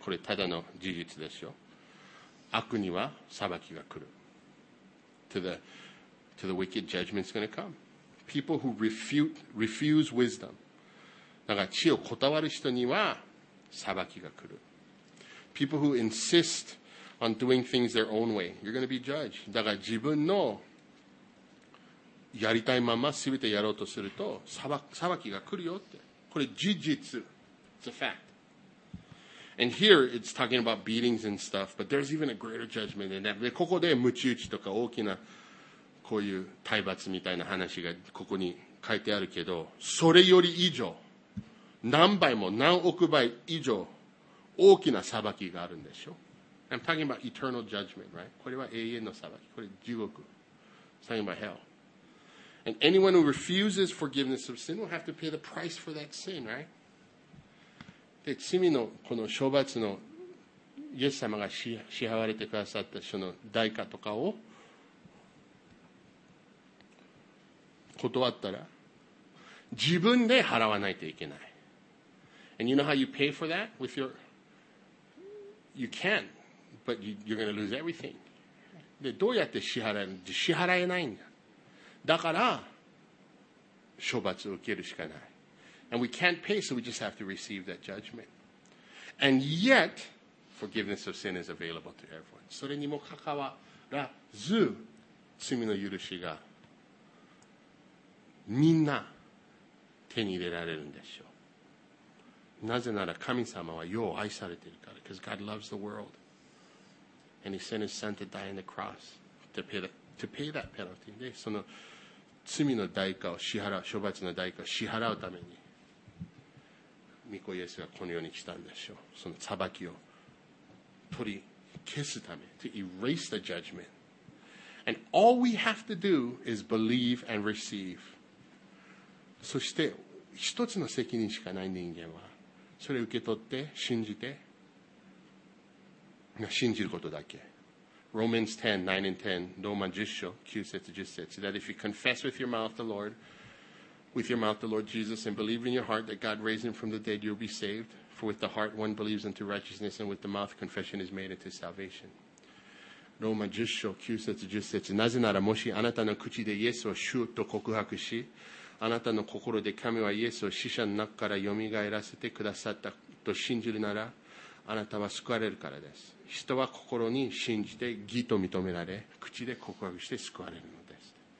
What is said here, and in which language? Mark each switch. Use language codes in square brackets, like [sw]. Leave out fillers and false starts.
[ja] これただの事実ですよ。悪には裁きが来る。 [en] To the wicked, judgment's going to come. People who refuse wisdom. [ja] だから知をこだわる人には裁きが来る。 [en] People who insiston doing things their own way, you're going to be judged. [ja] だから自分のやりたいまま全てやろうとすると裁きが来るよって。これ事実。 [en] It's a fact. And here it's talking about beatings and stuff, but there's even a greater judgment in that. [ja] でここで鞭打ちとか大きなこういう体罰みたいな話がここに書いてあるけど、それより以上、何倍も何億倍以上大きな裁きがあるんでしょ。 [en] I'm talking about eternal judgment, right? [ja] これは永遠の裁き。これ地獄。 [en] It's talking about hell. And anyone who refuses forgiveness of sin will have to pay the price for that sin, right? [ja] で、罪のこの処罰のイエス様が支払われてくださったその代価とかを断ったら自分で払わないといけない。 [en] And you know how you pay for that with your... You can. But you're going to lose everything. [ja] で、どうやって支払うの？支払えないんだ。だから、処罰を受けるしかない。 [en] And we can't pay, so we just have to receive that judgment. And yet, forgiveness of sin is available to everyone. [ja] それにもかかわらず、罪の許しがみんな手に入れられるんでしょう。なぜなら神様はよう愛されているから。 [en] Because God loves the world. And he sent his son to die on the cross to pay that penalty. [ja] で、その罪の代価を支払う、処罰の代価を支払うために、御子イエスがこの世に来たんでしょう。その裁きを取り消すため。 [en] To erase the judgment. And all we have to do is believe and receive. [ja] そして、一つの責任しかない人間は、それを受け取って、信じて、信じることだけ。 [en] Romans 10, 9 and 10, [ja] ローマ10章、9節、10節。 [en] That if you confess with your mouth the Lord Jesus and believe in your heart that God raised him from the dead, you'll be saved. For with the heart one believes unto righteousness and with the mouth confession is made unto salvation. [ja] ローマ10章、9節、10節。なぜならもしあなたの口でイエスを主と告白し、あなたの心で神はイエスを死者の中から蘇らせてくださったと信じるなら、あなたは救われるからです。人は心に信じて義と認められ、口で告白して救われるのです。